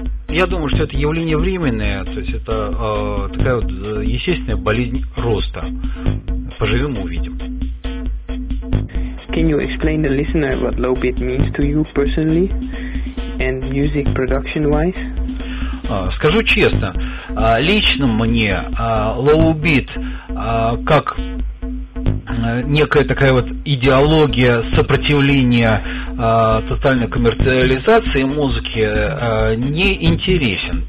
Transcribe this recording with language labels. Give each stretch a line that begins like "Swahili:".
Russian: Я думаю, что это явление временное, то есть это такая вот естественная болезнь роста. Поживем, увидим.
English: Can you explain the listener what low beat means to you personally and music production wise?
Russian: Скажу честно, лично мне low beat как некая такая вот идеология сопротивления тотальной коммерциализации музыки не интересен.